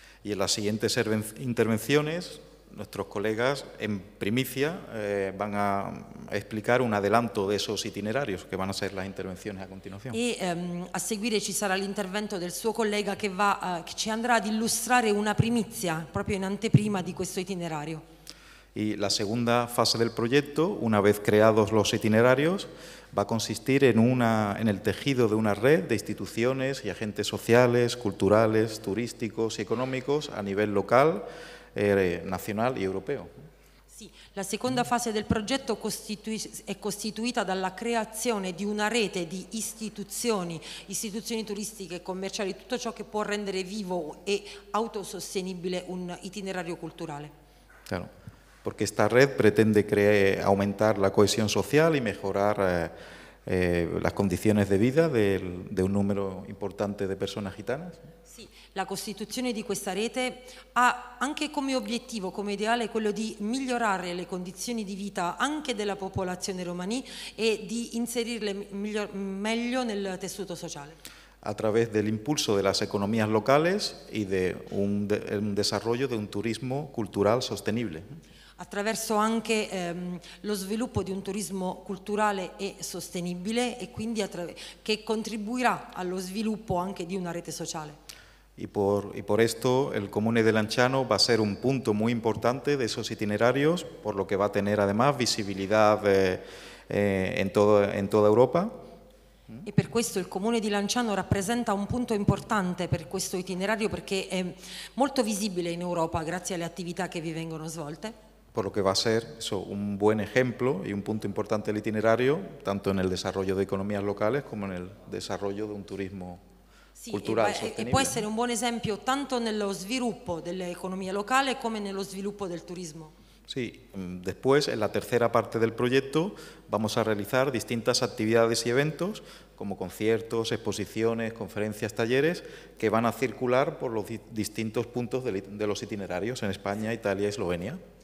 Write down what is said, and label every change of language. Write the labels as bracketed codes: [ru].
[es] Y en las siguientes intervenciones, nuestros colegas en primicia van a explicar un adelanto de esos itinerarios, que van a ser las intervenciones a continuación. [it] Y a seguir ci sarà l'intervento del suo collega che ci andrà ad illustrare una primicia, proprio in anteprima di questo itinerario. [es] Y la segunda fase del proyecto, una vez creados los itinerarios, va a consistir en el tejido de una red de instituciones y agentes sociales, culturales, turísticos y económicos a nivel local, nacional y europeo. [it] Sì, la seconda fase del progetto è costituita dalla creazione di una rete di istituzioni turistiche, commerciali, tutto ciò che può rendere vivo e autosostenibile un itinerario culturale. [es] Claro. Porque esta red pretende aumentar la cohesión social y mejorar las condiciones de vida de un número importante de personas gitanas. [it] Sí, la costituzione di questa rete ha anche come obiettivo, come ideale, quello di migliorare le condizioni di vita anche della popolazione romaní e di inserirle meglio nel tessuto sociale. [es] A través del impulso de las economías locales y de un desarrollo de un turismo cultural sostenible. [it] Attraverso anche lo sviluppo di un turismo culturale e sostenibile, e quindi che contribuirà allo sviluppo anche di una rete sociale. [es] Y por esto el comune de Lanciano va a ser un punto muy importante de esos itinerarios, por lo que va a tener además visibilidad en toda Europa. [it] E per questo il comune di Lanciano rappresenta un punto importante per questo itinerario, perché è molto visibile in Europa grazie alle attività che vi vengono svolte. [es] Por lo que va a ser eso, un buen ejemplo y un punto importante del itinerario, tanto en el desarrollo de economías locales como en el desarrollo de un turismo sí, cultural sostenible. Y puede ser un buen ejemplo tanto en el desarrollo de la economía local como en el desarrollo del turismo. Sí, después en la tercera parte del proyecto vamos a realizar distintas actividades y eventos, como conciertos, exposiciones, conferencias, talleres, que van a circular por los distintos puntos de los itinerarios en España, Italia y Eslovenia.